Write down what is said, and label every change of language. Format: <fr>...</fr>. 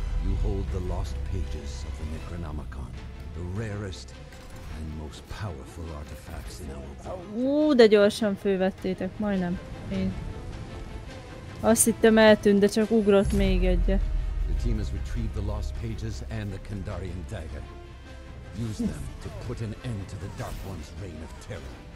<en>You hold the lost pages of the Necronomicon, the rarest and most powerful artifacts in our world.</en> <hu>De gyorsan fővettétek, majdnem. Én. Azt hittem eltűnt, de csak ugrott még egyet.</hu> <en>The team has retrieved the lost pages and the Kandarian dagger. Use them to put an end to the Dark One's reign of terror.</en>